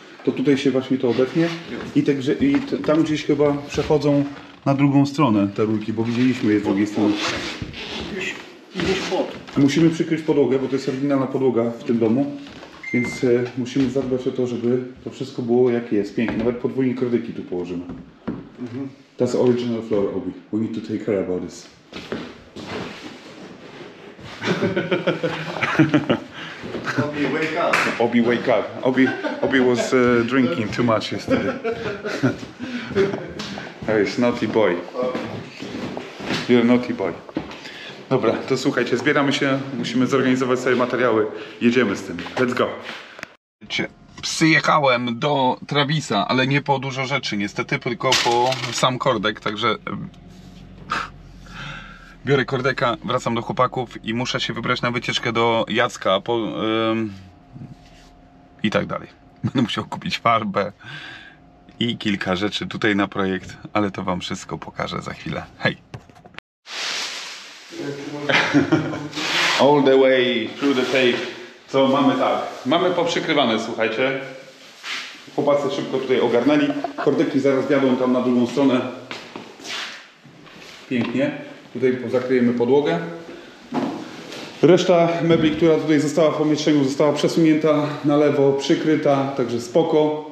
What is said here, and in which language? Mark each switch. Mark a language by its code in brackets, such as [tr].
[pl] To tutaj się właśnie to obetnie. Tam gdzieś chyba przechodzą na drugą stronę te rurki, bo widzieliśmy je z drugiej strony. Gdzieś pod. Musimy przykryć podłogę, bo to jest oryginalna podłoga w tym domu. Więc musimy zadbać o to, żeby to wszystko było jakie jest. Pięknie. Nawet podwójnie krytyki tu położymy. Mhm. [en] That's original floor, Obi. We need to take care about this. Obi, wake up. Obi was drinking too much yesterday. That is naughty boy. You're a naughty boy. [pl] Dobra, to słuchajcie, zbieramy się, musimy zorganizować sobie materiały. Jedziemy z tym. [en] Let's go. [pl] Przyjechałem do Travisa, ale nie po dużo rzeczy, niestety, tylko po sam kordek, także... Biorę kordeka, wracam do chłopaków i muszę się wybrać na wycieczkę do Jacka po... i tak dalej. Będę musiał kupić farbę i kilka rzeczy tutaj na projekt, ale to wam wszystko pokażę za chwilę. Hej! [en] All the way through the tape. [pl] Co mamy tak? Mamy poprzykrywane, słuchajcie. Chłopacy szybko tutaj ogarnęli. Kordeki zaraz wjadą tam na drugą stronę. Pięknie. Tutaj zakryjemy podłogę. Reszta mebli, która tutaj została w pomieszczeniu, została przesunięta na lewo, przykryta, także spoko.